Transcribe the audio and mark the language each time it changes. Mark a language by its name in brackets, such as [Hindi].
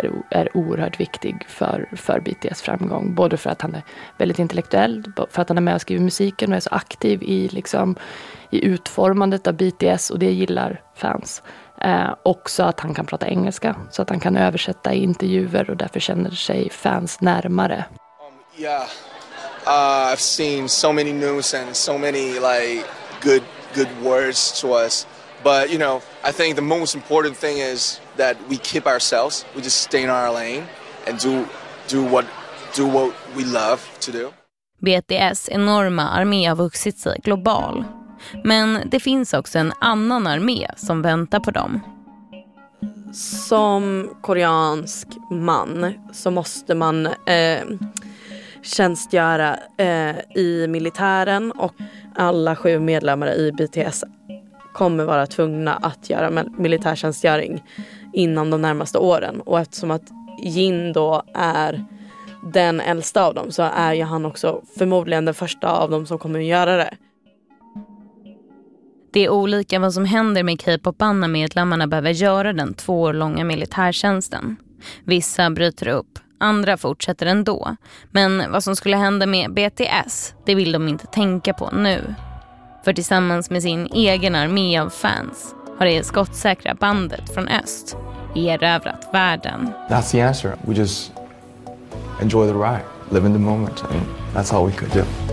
[Swedish] är oerhört viktig för BTS framgång. Både för att han är väldigt intellektuell, för att han är med och skriver musiken och är så aktiv i, liksom, i utformandet av BTS, och det gillar fans. Också att han kan prata engelska så att han kan översätta i intervjuer, och därför känner sig fans närmare. [English] I've seen so many news and so many like good words to us, but you know, I think the most important thing is that we keep ourselves, we just stay in our lane and do what we love to do. [Swedish] BTS enorma armé har vuxit sig global. Men det finns också en annan armé som väntar på dem. Som koreansk man så måste man tjänstgöra i militären, och alla 7 medlemmar i BTS kommer vara tvungna att göra militärtjänstgöring inom de närmaste åren. Och eftersom att Jin då är den äldsta av dem, så är ju han också förmodligen den första av dem som kommer att göra det. Det är olika vad som händer med K-pop-bandet. Medlemmarna behöver göra den 2 år långa militärtjänsten. Vissa bryter upp, andra fortsätter ändå. Men vad som skulle hända med BTS, det vill de inte tänka på nu. För tillsammans med sin egen armé av fans har det skottsäkra bandet från öst erövrat världen. [English] That's the answer. We just enjoy the ride, live in the moment, and that's all we could do.